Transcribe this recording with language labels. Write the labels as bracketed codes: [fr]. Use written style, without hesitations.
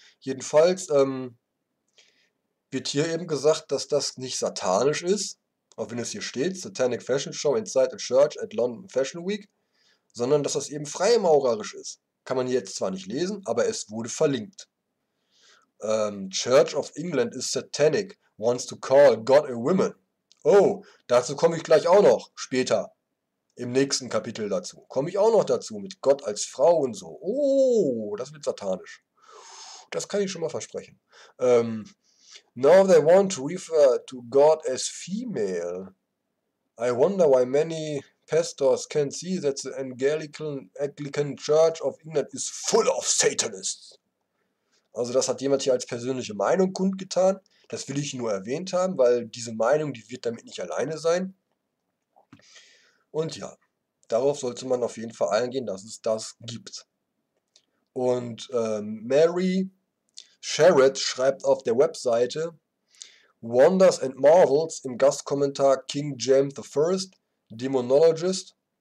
[de] Jedenfalls wird hier eben gesagt, dass das nicht satanisch ist, auch wenn es hier steht, [en] Satanic Fashion Show inside a church at London Fashion Week, [de] sondern dass das eben freimaurerisch ist. Kann man jetzt zwar nicht lesen, aber es wurde verlinkt. [en] Church of England is satanic, wants to call God a woman. [de] Oh, dazu komme ich gleich auch noch später. Im nächsten Kapitel dazu. Komme ich auch noch dazu mit Gott als Frau und so. Oh, das wird satanisch. Das kann ich schon mal versprechen. [en] Now they want to refer to God as female. I wonder why many pastors can see that the Anglican Church of England is full of Satanists. [de] Also das hat jemand hier als persönliche Meinung kundgetan. Das will ich nur erwähnt haben, weil diese Meinung, die wird damit nicht alleine sein. Und ja, darauf sollte man auf jeden Fall eingehen, dass es das gibt. Und Mary Sherrod schreibt auf der Webseite: Wonders and Marvels im Gastkommentar King James I, Demonologist.